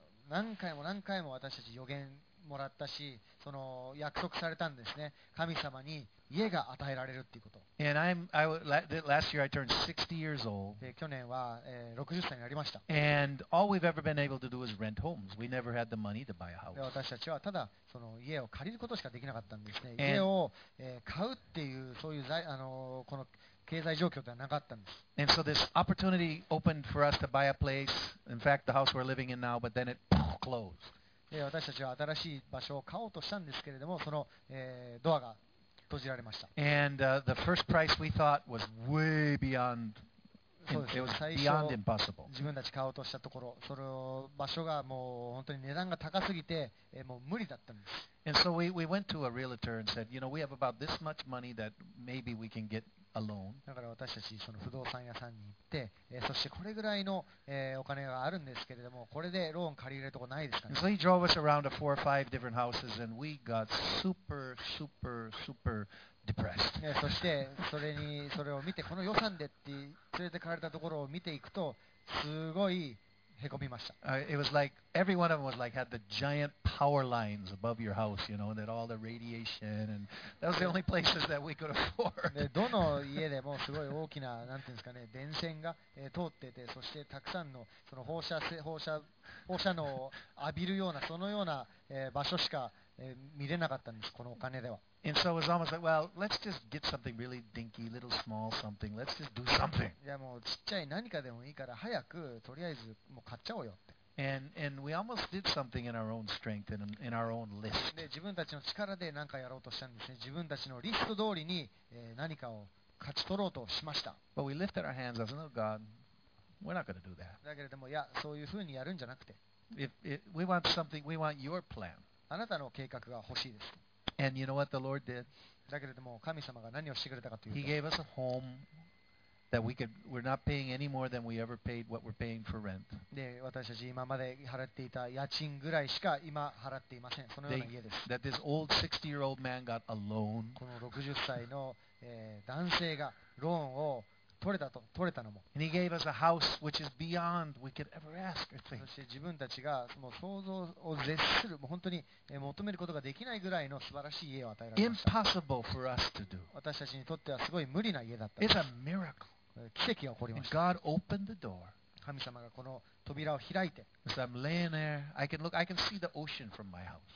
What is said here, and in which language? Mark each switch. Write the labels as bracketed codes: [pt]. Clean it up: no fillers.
[ja] 何回も何回も私たち予言もらったし、その約束されたんですね。神様に家が与えられるっていうこと。 [en] And last year I turned 60 years old. [ja] で去年は、60歳になりました。 [en] And all we've ever been able to do is rent homes. We never had the money to buy a house. [ja] で私たちはただその家を借りることしかできなかったんですね。家を、買うっていうそういう財この経済状況ではなかったんです。 [en] And so this opportunity opened for us to buy a place. In fact, the house we're living in now, but then it closed. [ja] で私たちは新しい場所を買おうとしたんですけれども、その、ドアが閉じられました。 [en] And the first price we thought was way beyond, it was beyond impossible. [ja] 自分たち買おうとしたところ、その場所がもう本当に値段が高すぎて、もう無理だったんです。 [en] And so we went to a realtor and said, you know, we have about this much money that maybe we can get a loan. [ja] だから私たちその不動産屋さんに行って、そしてこれぐらいの、お金があるんですけれども、これでローン借りれるとこないですかね。 [en] And so he drove us around to four or five different houses and we got super, super, super depressed. [ja] そしてそれを見て、この予算でって連れてかれたところを見ていくと、すごい、へこみました。 [en] It was like every one of them was like had the giant power lines above your house, you know, and that all the radiation and that was the only places that we could afford. [ja] で、どの家でもすごい大きな、なんていうんですかね、電線が、通ってて、そしてたくさんのその放射能を浴びるようなそのような、場所しか、見れなかったんです、このお金では。 [en] And so it was almost like, well, let's just get something really dinky, little small something. Let's just do something. [ja] いやもうちっちゃい何かでもいいから早くとりあえずもう買っちゃおうよって。 [en] And we almost did something in our own strength and in our own list. [ja] で自分たちの力で何かやろうとしたんですね。自分たちのリスト通りに、何かを勝ち取ろうとしました。 [en] But we lifted our hands and said, no, God, we're not going to do that. [ja] だけれどもいやそういうふうにやるんじゃなくて。 [en] We want something. We want your plan. [ja] あなたの計画が欲しいです。 [en] And you know what the Lord did? [ja] だけれども神様が何をしてくれたかというと、 [en] He gave us a home That we could, we're not paying any more than we ever paid what we're paying for rent. [ja] で、私たち今まで払っていた家賃ぐらいしか今払っていません。そのような家です。 [en] That this old 60-year-old man got a loan. [ja] この60歳の、男性がローンを取れたと、取れたのも。 [en] And he gave us a house which is beyond we could ever ask or think. [ja] そして自分たちがその想像を絶する、もう本当に求めることができないぐらいの素晴らしい家を与えられました。 [en] Impossible for us to do. [ja] 私たちにとってはすごい無理な家だった。 [en] It's a miracle. [ja] 奇跡が起こりました。 [en] God opened the door. [ja] 神様がこの扉を開いて。 [en] So I'm laying there. I can see the ocean from my house.